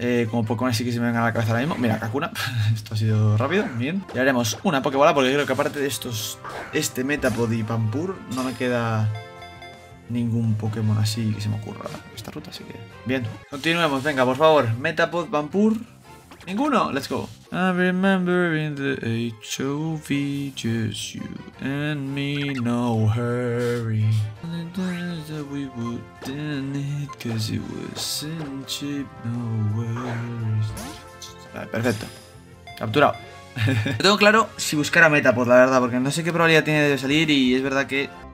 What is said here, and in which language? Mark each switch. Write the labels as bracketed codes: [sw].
[es] Como Pokémon así que se me venga a la cabeza ahora mismo. Mira, Kakuna. Esto ha sido rápido, bien. Y haremos una Pokébola porque creo que aparte de estos, este Metapod y Pampur, no me queda ningún Pokémon así que se me ocurra esta ruta, así que bien. Continuemos, venga, por favor. Metapod, Pampur. Ninguno, [en] let's go. I remember in the HOV, just you and me, no hurry. The times that we would end it, cause it was in cheap, no worries. [es] Vale, perfecto. Capturado. Lo tengo claro si buscar a Metapod, la verdad, porque no sé qué probabilidad tiene de salir y es verdad que.